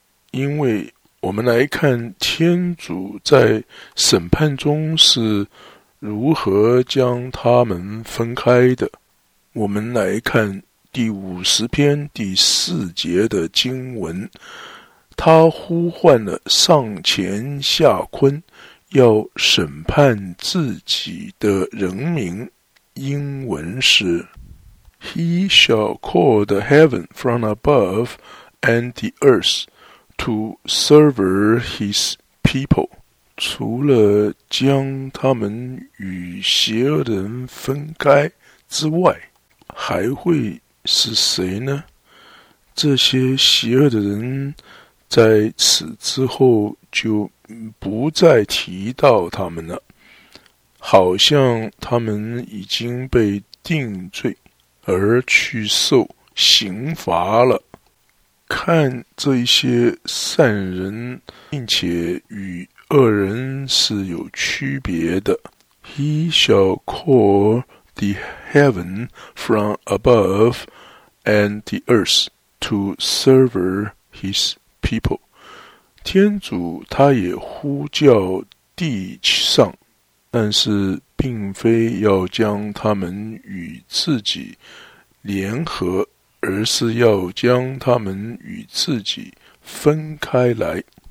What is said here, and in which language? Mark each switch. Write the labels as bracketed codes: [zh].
[zh] 因为我们来看天主在审判中是如何将他们分开的，我们来看第五十篇第四节的经文，他呼唤了上前下昆，要审判自己的人民。 [en] 英文是 He shall call the heaven from above and the earth to sever his people。 [zh] 除了将他们与邪恶人分开之外，还会是谁呢？这些邪恶的人在此之后就不再提到他们了，好像他们已经被定罪而去受刑罚了。看这些善人并且与恶人是有区别的。 [en] He shall call the heaven from aboveand the earth to sever his people。 [zh] 天主他也呼叫地上，但是并非要将他们与自己联合，而是要将他们与自己分开来。